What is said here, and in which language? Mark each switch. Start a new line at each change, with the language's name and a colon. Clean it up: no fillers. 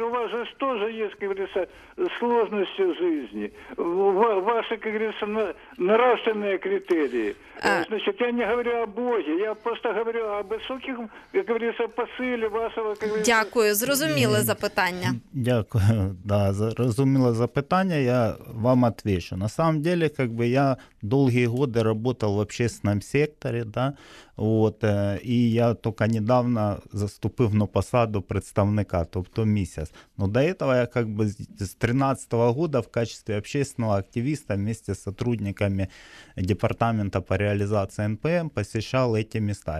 Russian: У вас же тоже есть, как говорится, сложности в жизни. Ваши, как говорится, нравственные критерии. Значит, я не говорю о Боге, я просто говорю о высоких, как говорится, посиле вашего, как говорится...
Ukrainian: Дякую, зрозуміло запитання. Дякую, да, зрозуміло запитання,
Russian: я вам отвечу. На самом деле, как бы я долгие годы работал в общественном секторе, да, вот, и я только недавно
Ukrainian: заступив на посаду представника, тобто місяць.
Russian: Но до этого я как бы с 13-го года в качестве общественного активиста вместе с сотрудниками департамента по реализации НПМ посещал эти места.